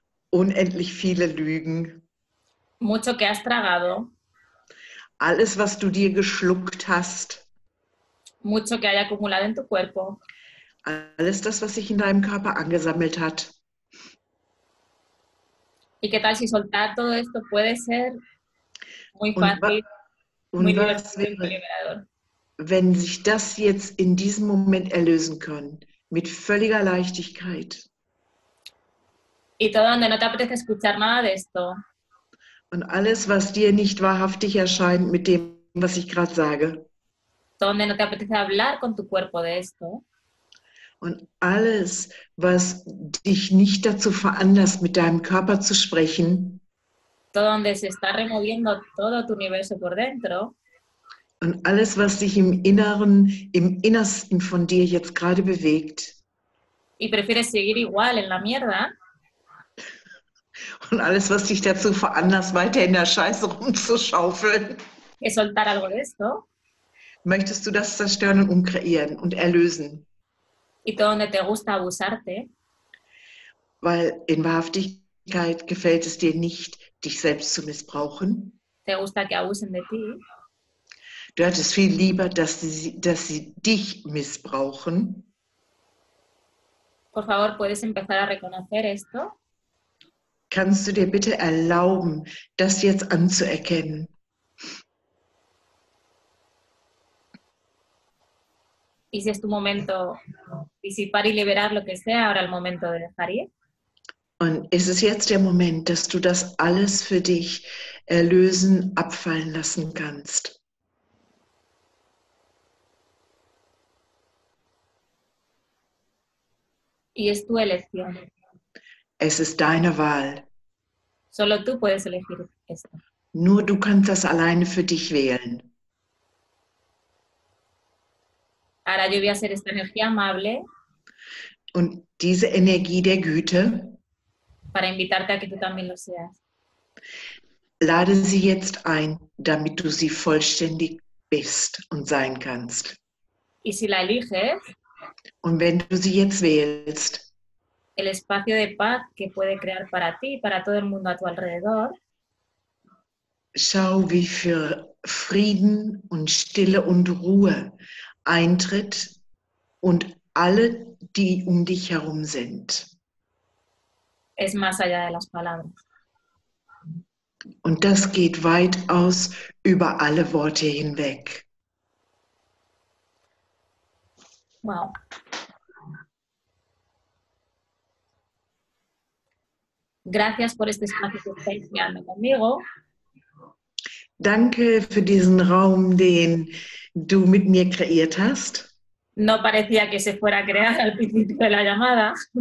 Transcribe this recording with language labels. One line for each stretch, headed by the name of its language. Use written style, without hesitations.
German: Unendlich viele Lügen.
Spanish: Mucho que has tragado.
German: Alles, was du dir geschluckt hast.
Spanish: Mucho que hay acumulado en tu cuerpo.
German: Alles das, was sich in deinem Körper angesammelt hat.
Spanish: Y qué tal si soltar todo esto puede ser muy fácil.
German: Und was wäre, wenn sich das jetzt in diesem Moment erlösen können, mit völliger Leichtigkeit?
Spanish: Y todo donde no te apetece escuchar nada de esto.
German: Und alles, was dir nicht wahrhaftig erscheint mit dem, was ich gerade sage.
Spanish: Todo donde no te apetece hablar con tu cuerpo de esto.
German: Und alles, was dich nicht dazu veranlasst, mit deinem Körper zu sprechen.
Spanish: Todo donde se está removiendo todo tu universo por dentro.
German: Und alles, was sich im Inneren, im Innersten von dir jetzt gerade bewegt.
Spanish: Y prefieres seguir igual en la mierda.
German: Und alles, was dich dazu veranlasst, weiter in der Scheiße rumzuschaufeln.
Spanish: Que soltar algo de esto.
German: Möchtest du das zerstören und umkreieren und erlösen?
Spanish: Y todo donde te gusta abusarte.
German: Weil in Wahrhaftigkeit gefällt es dir nicht, dich selbst zu missbrauchen.
Spanish: Te gusta que abusen de ti.
German: Du hättest viel lieber, dass sie dich missbrauchen.
Spanish: Por favor, puedes empezar a reconocer esto?
German: Kannst du dir bitte erlauben, das jetzt anzuerkennen?
Spanish: Y si es tu momento disipar y liberar lo que sea, ahora el momento de dejar ir.
German: Und es ist jetzt der Moment, dass du das alles für dich erlösen, abfallen lassen kannst.
Spanish: Y es tu elección.
German: Es ist deine Wahl.
Spanish: Solo tú puedes elegir esto.
German: Nur du kannst das alleine für dich wählen.
Spanish: Ahora yo voy a hacer esta energía amable.
German: Und diese Energie der Güte,
Spanish: Para invitarte a que tú también lo seas.
German: Lade sie jetzt ein, damit du sie vollständig bist und sein kannst.
Spanish: Y si la eliges,
German: und wenn du sie jetzt wählst,
Spanish: el espacio de paz que puede crear para ti y para todo el mundo a tu alrededor.
German: Schau, wie viel Frieden und Stille und Ruhe eintritt und alle, die um dich herum sind.
Spanish: Es más allá de las palabras.
German: Und das geht weitaus über alle Worte hinweg. Wow.
Spanish: Gracias por este espacio que estás creando conmigo.
German: Danke für diesen Raum, den du mit mir kreiert hast.
Spanish: No parecía que se fuera a crear al principio de la llamada.